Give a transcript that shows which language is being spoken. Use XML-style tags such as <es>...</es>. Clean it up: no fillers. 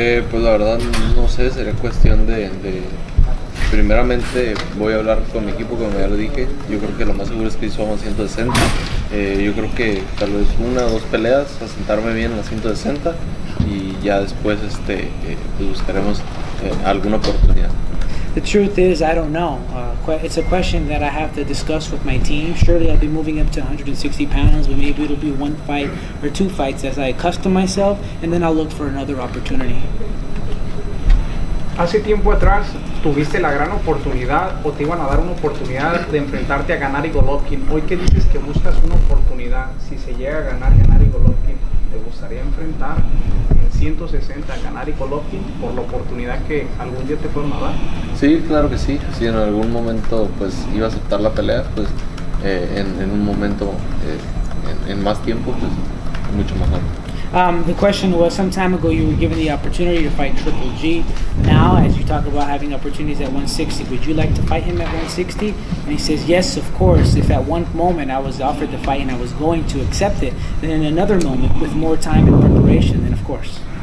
<es>Pues la verdad, no sé, sería cuestión de... Primeramente voy a hablar con mi equipo, como ya lo dije. Yo creo que lo más seguro es que somos 160. Yo creo que tal vez una o dos peleas, asentarme bien en la 160, y ya después pues buscaremos alguna oportunidad.</es> <en>The truth is, I don't know. It's a question that I have to discuss with my team. Surely I'll be moving up to 160 pounds, but maybe it'll be one fight or two fights as I accustom myself, and then I'll look for another opportunity.</en> <es>Hace tiempo atrás tuviste la gran oportunidad, o te iban a dar una oportunidad de enfrentarte a Gennady Golovkin. Hoy que dices que buscas una oportunidad, si se llega a ganar Gennady Golovkin, ¿te gustaría enfrentar en 160 a Gennady Golovkin por la oportunidad que algún día te fueron a dar? Sí, claro que sí. Si en algún momento pues iba a aceptar la pelea, pues en un momento, en más tiempo, pues mucho más alto.</es> <en>The question was, some time ago you were given the opportunity to fight Triple G. Now, as you talk about having opportunities at 160, would you like to fight him at 160? And he says, yes, of course. If at one moment I was offered the fight and I was going to accept it, then in another moment, with more time and preparation, then of course.</en>